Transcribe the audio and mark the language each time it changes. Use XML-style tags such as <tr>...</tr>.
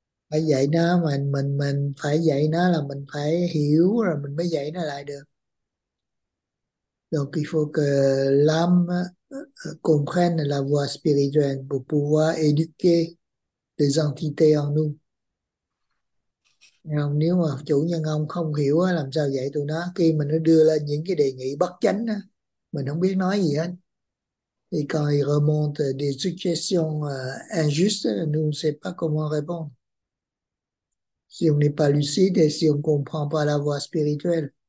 <vi>phải dạy nó, mà mình phải dạy nó là mình phải hiểu rồi mình mới dạy nó lại được.</vi> <fr>Donc il faut que l'âme comprenne la voie spirituelle pour pouvoir éduquer les entités en nous.</fr> <vi>Nếu mà chủ nhân ông không hiểu làm sao dạy tụi nó, khi mình nó đưa lên những cái đề nghị bất chánh mình không biết nói gì hết.</vi> <fr>Et quand il remonte des suggestions injustes, nous ne savons pas comment répondre. Si on n'est pas lucide et si on ne comprend pas la voie spirituelle.</fr>